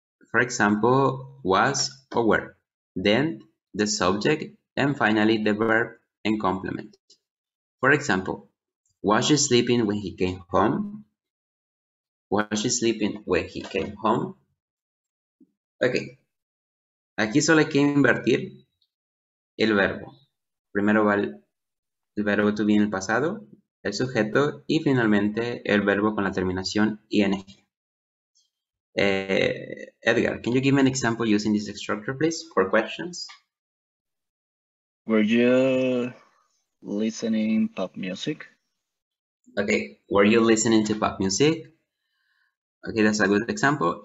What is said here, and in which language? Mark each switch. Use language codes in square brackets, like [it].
[en] For example, was or were, then the subject, and finally the verb and complement. For example, was she sleeping when he came home? Was she sleeping when he came home? Okay. [es] Aquí solo hay que invertir el verbo. Primero va el verbo to be en el pasado, el sujeto, y finalmente el verbo con la terminación ing. [en] Edgar, can you give me an example using this structure, please, for questions? Were you listening pop music? Okay, were you listening to pop music? Okay, that's a good example.